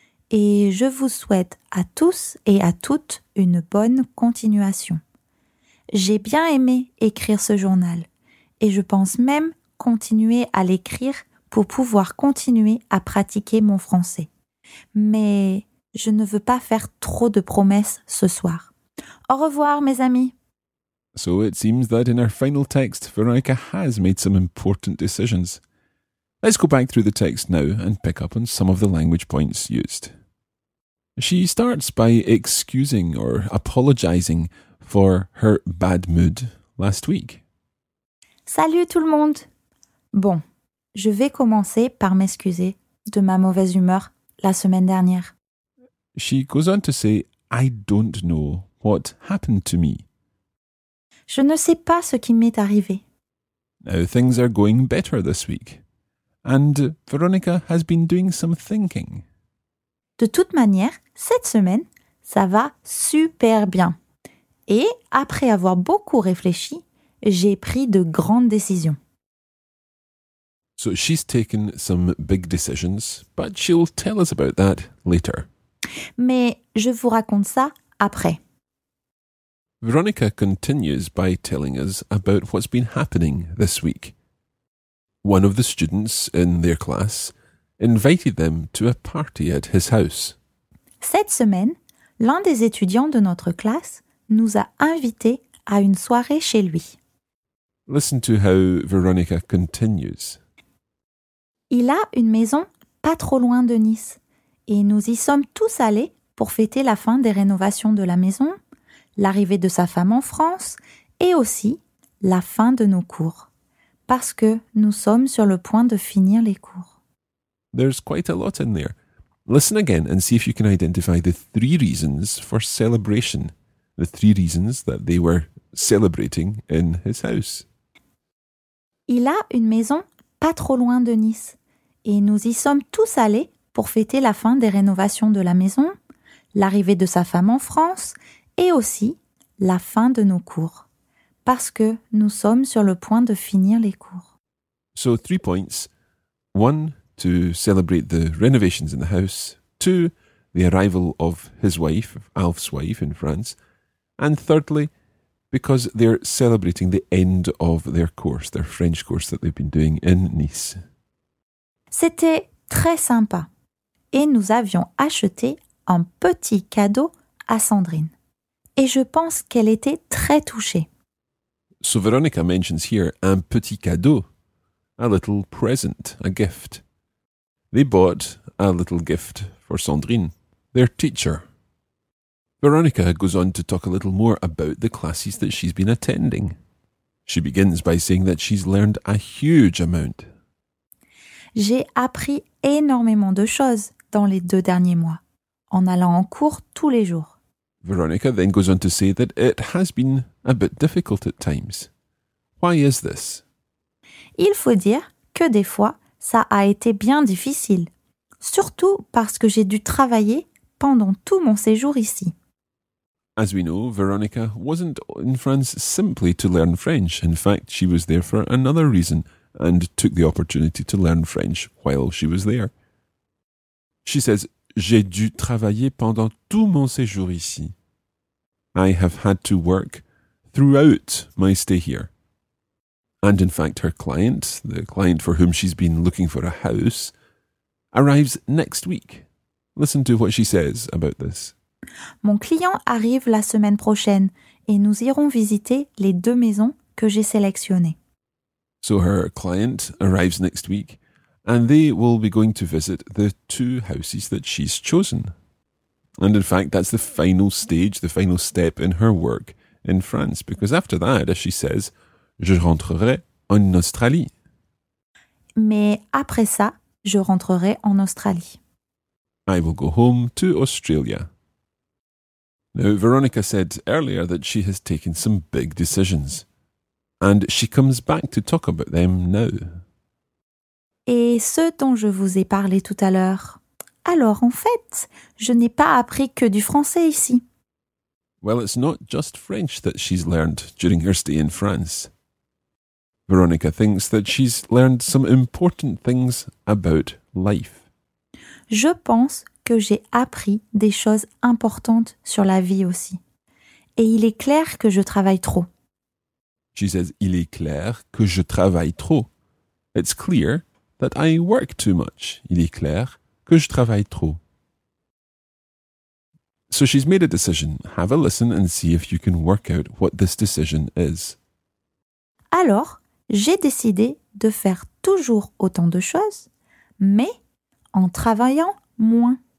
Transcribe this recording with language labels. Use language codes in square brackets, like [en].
[fr] Et je vous souhaite à tous et à toutes une bonne continuation. J'ai bien aimé écrire ce journal et je pense même continuer à l'écrire pour pouvoir continuer à pratiquer mon français. Mais je ne veux pas faire trop de promesses ce soir. Au revoir, mes amis. [en] So it seems that in our final text, Veronica has made some important decisions. Let's go back through the text now and pick up on some of the language points used. She starts by excusing or apologizing for her bad mood last week. [fr] Salut tout le monde! Bon, je vais commencer par m'excuser de ma mauvaise humeur la semaine dernière. [en] She goes on to say, I don't know what happened to me. [fr] Je ne sais pas ce qui m'est arrivé. [en] Now things are going better this week. And Veronica has been doing some thinking. [fr] De toute manière, cette semaine, ça va super bien. Et après avoir beaucoup réfléchi, j'ai pris de grandes décisions. [en] So she's taken some big decisions, but she'll tell us about that later. [fr] Mais je vous raconte ça après. [en] Veronica continues by telling us about what's been happening this week. One of the students in their class invited them to a party at his house. [fr] Cette semaine, l'un des étudiants de notre classe nous a invités à une soirée chez lui. [en] Listen to how Veronica continues. [fr] Il a une maison pas trop loin de Nice et nous y sommes tous allés pour fêter la fin des rénovations de la maison, l'arrivée de sa femme en France et aussi la fin de nos cours. Parce que nous sommes sur le point de finir les cours. [en] There's quite a lot in there. Listen again and see if you can identify the three reasons for celebration. The three reasons that they were celebrating in his house. [fr] Il a une maison pas trop loin de Nice. Et nous y sommes tous allés pour fêter la fin des rénovations de la maison, l'arrivée de sa femme en France et aussi la fin de nos cours. Parce que nous sommes sur le point de finir les cours. [en] So, 3 points. 1, to celebrate the renovations in the house. 2, the arrival of his wife, Alf's wife in France. And thirdly, because they're celebrating the end of their course, their French course that they've been doing in Nice. [fr] C'était très sympa. Et nous avions acheté un petit cadeau à Sandrine. Et je pense qu'elle était très touchée. [en] So Veronica mentions here [fr] un petit cadeau, [en] a little present, a gift. They bought a little gift for Sandrine, their teacher. Veronica goes on to talk a little more about the classes that she's been attending. She begins by saying that she's learned a huge amount. [fr] J'ai appris énormément de choses dans les 2 derniers mois, en allant en cours tous les jours. [en] Veronica then goes on to say that it has been a bit difficult at times. Why is this? [fr] Il faut dire que des fois, ça a été bien difficile. Surtout parce que j'ai dû travailler pendant tout mon séjour ici. [en] As we know, Veronica wasn't in France simply to learn French. In fact, she was there for another reason and took the opportunity to learn French while she was there. She says, [fr] j'ai dû travailler pendant tout mon séjour ici. [en] I have had to work throughout my stay here. And in fact, her client, the client for whom she's been looking for a house, arrives next week. Listen to what she says about this. [fr] Mon client arrive la semaine prochaine et nous irons visiter les 2 maisons que j'ai sélectionnées. [en] So her client arrives next week. And they will be going to visit the 2 houses that she's chosen. And in fact, that's the final stage, the final step in her work in France. Because after that, as she says, [fr] je rentrerai en Australie. Mais après ça, je rentrerai en Australie. [en] I will go home to Australia. Now, Veronica said earlier that she has taken some big decisions. And she comes back to talk about them now. [fr] Et ce dont je vous ai parlé tout à l'heure. Alors, en fait, je n'ai pas appris que du français ici. [en] Well, it's not just French that she's learned during her stay in France. Veronica thinks that she's learned some important things about life. [fr] Je pense que j'ai appris des choses importantes sur la vie aussi. Et il est clair que je travaille trop. [en] She says, [fr] il est clair que je travaille trop. [en] It's clear that I work too much. [fr] Il est clair que je travaille trop. [en] So she's made a decision. Have a listen and see if you can work out what this decision is. [fr] Alors, j'ai décidé de faire toujours autant de choses, mais en travaillant moins.